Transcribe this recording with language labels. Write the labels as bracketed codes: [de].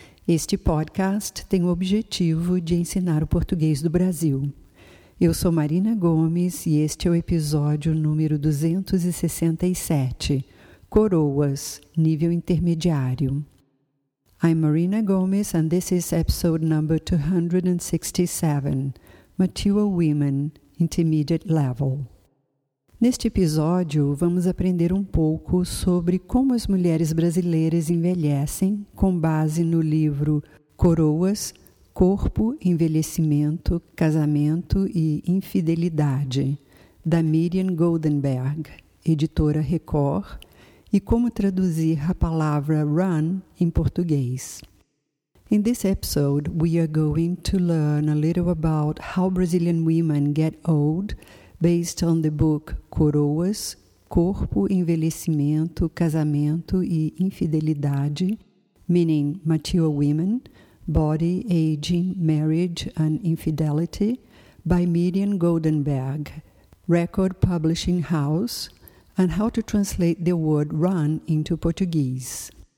[pt] Este podcast tem o objetivo de ensinar o português do Brasil. Eu sou Marina Gomes e este é o episódio número 267, Coroas, nível intermediário. [en] I'm Marina Gomes and this is episode number 267, Mature Women, Intermediate Level. [pt] Neste episódio, vamos aprender um pouco sobre como as mulheres brasileiras envelhecem com base no livro Coroas, Corpo, Envelhecimento, Casamento e Infidelidade, da Miriam Goldenberg, editora Record, e como traduzir a palavra run em português. [en] In this episode, we are going to learn a little about how Brazilian women get old based on the book Coroas, Corpo, Envelhecimento, Casamento e Infidelidade, meaning Mature Women, Body, Aging, Marriage and Infidelity, by Miriam Goldenberg, Record Publishing House, and how to translate the word run into Portuguese.